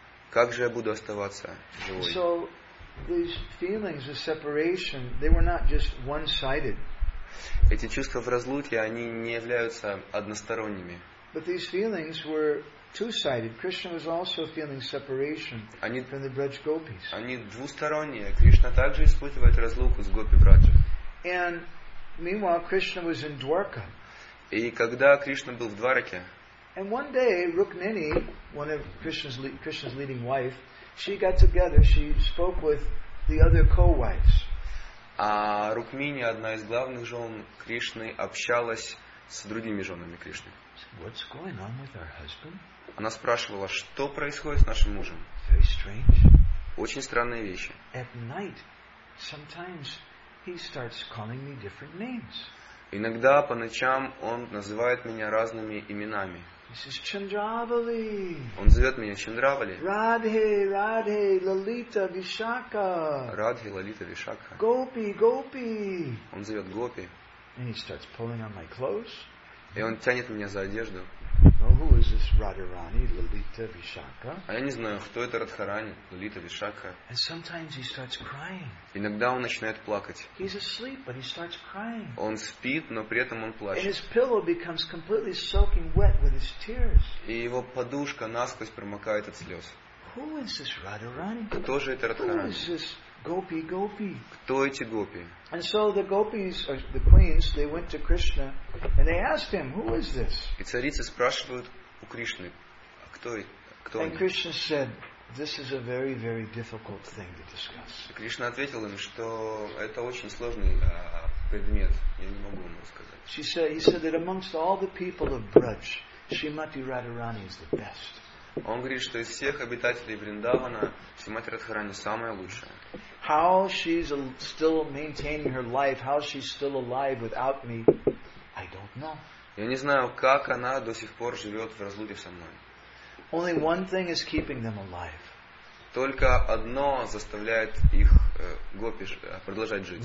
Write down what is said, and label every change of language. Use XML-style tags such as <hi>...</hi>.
<ru>Как же я буду оставаться живой?</ru> <en>So these feelings of separation, they were not just one-sided.</en> <ru>Эти чувства в разлуке, они не являются односторонними.</ru> <en>But these feelings were two-sided. Krishna was also feeling separation from the Braj gopis.</en> <ru>Они двусторонние. Кришна также испытывает разлуку с гопи Браджа.</ru> <en>And meanwhile, Krishna was in Dwarka.</en> <ru>И когда Кришна был в Двараке,</ru> <en>and one day Rukmini, one of Krishna's leading wife, she got together, she spoke with the other co-wives.</en> <ru>А Рукмини, одна из главных жен Кришны, общалась с другими женами Кришны.</ru> <en>What's going on with our husband?</en> <ru>Она спрашивала, что происходит с нашим мужем?</ru> <en>Very strange.</en> <ru>Очень странные вещи.</ru> <en>At night, sometimes he starts calling me different names.</en> <ru>Иногда по ночам он называет меня разными именами.</ru> <en>He says, Chandravali.</en> <ru>Он зовет меня Чандравали. Радхе, Радхе, Лалита, Вишака. Радхе, Лалита, Вишака. Гопи, Гопи. Он зовет Гопи.</ru> <en>And he starts pulling on my clothes.</en> <ru>И он тянет меня за одежду.</ru> <en>Well, who is this Radharani, Лалита, Вишака?</en> <ru>А я не знаю, кто это Радхарани, Лалита, Вишака.</ru> <en>And sometimes he starts crying.</en> <ru>Иногда он начинает плакать.</ru> <en>He's asleep, but he starts crying.</en> <ru>Он спит, но при этом он плачет.</ru> <en>And his pillow becomes completely soaking wet with his tears.</en> <ru>И его подушка насквозь промокает от слез.</ru> <en>Who is this Radharani?</en> <ru>Кто же это Радхарани?</ru> <en>Who is this Gopi, Gopi?</en> <ru>Кто эти Гопи?</ru> <en>And so the gopis, or the queens, they went to Krishna and they asked him, who is this?</en> <ru>И царицы спрашивают у Кришны, кто он?</ru> <en>And Krishna said, this is a very, very difficult thing to discuss.</en> <ru>Кришна ответил им, что это очень сложный предмет, я не могу ему сказать.</ru> <en>He said that amongst all the people of Braj, Shrimati Radharani is the best.</en> <ru>Он говорит, что из всех обитателей Вриндавана Шримати Радхарани самая лучшая.</ru> <en>How she's still maintaining her life, how she's still alive without me, I don't know.</en> <ru>Я не знаю, как она до сих пор живет в разлуке со мной.</ru> <en>Only one thing is keeping them alive.</en> <ru>Только одно заставляет их гопи продолжать жить.</ru>